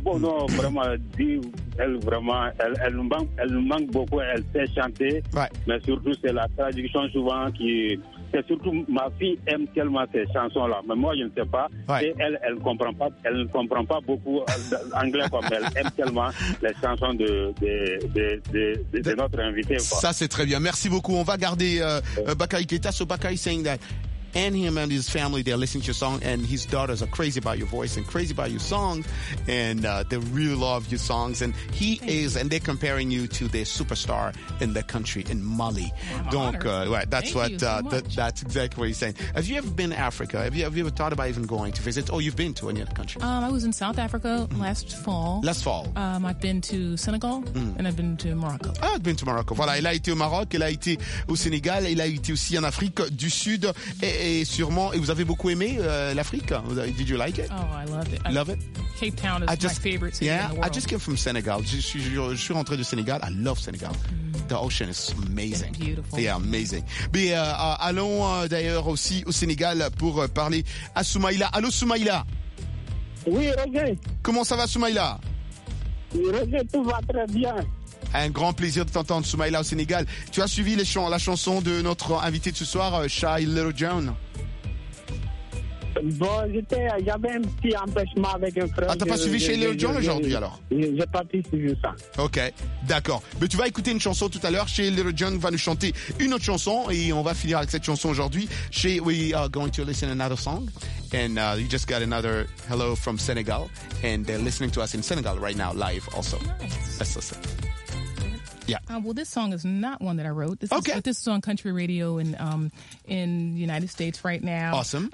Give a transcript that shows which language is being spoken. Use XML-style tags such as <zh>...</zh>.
<fr>Bon, non, vraiment, elle manque beaucoup, elle sait chanter, mais surtout c'est la traduction souvent qui... C'est surtout ma fille aime tellement ces chansons-là, mais moi je ne sais pas. Ouais. Et elle ne comprend pas beaucoup l'anglais, quoi, mais elle aime tellement les chansons de notre invité. Quoi. Ça c'est très bien. Merci beaucoup. On va garder Bakary Keita.</fr> <en>So Bakary saying that and him and his family, they're listening to your song, and his daughters are crazy about your voice and crazy about your songs, and they really love your songs. And he is, and they're comparing you to the superstar in the country, in Mali. That's exactly what he's saying. Have you ever been to Africa? Have you ever thought about even going to visit? Oh, you've been to any other country? I was in South Africa last fall. Last fall. I've been to Senegal, and I've been to Morocco. Ah, I've been to Morocco.</en> <fr>Voilà, il a été au Maroc, il a été au Sénégal, il a été aussi en Afrique du Sud, et sûrement, et vous avez beaucoup aimé l'Afrique.</fr> <en>Did you like it? Oh, I loved it. Love it? Cape Town is my favorite city in the world. I just came from Senegal.</en> <fr>Je suis rentré du Sénégal.</fr> <en>I love Senegal. The ocean is amazing. They're beautiful. They are amazing.</en> <fr>Mais allons d'ailleurs aussi au Sénégal pour parler à Soumaïla. Allô, Soumaïla. Oui, Roger. Comment ça va, Soumaïla? Roger, tout va très bien. Un grand plaisir de t'entendre, Soumaïla, au Sénégal. Tu as suivi la chanson de notre invité de ce soir, Shy Little John? Bon, j'avais un petit empêchement avec un frère. Ah, t'as pas suivi Shy Little John aujourd'hui, alors? J'ai pas pu suivre ça. Ok, d'accord. Mais tu vas écouter une chanson tout à l'heure. Shy Little John va nous chanter une autre chanson et on va finir avec cette chanson aujourd'hui.</fr> <en>We are going to listen to another song. And you just got another hello from Senegal. And they're listening to us in Senegal right now, live also. Nice. Let's listen. Yeah. Well, this song is not one that I wrote. This is on country radio in the United States right now. Awesome.</en>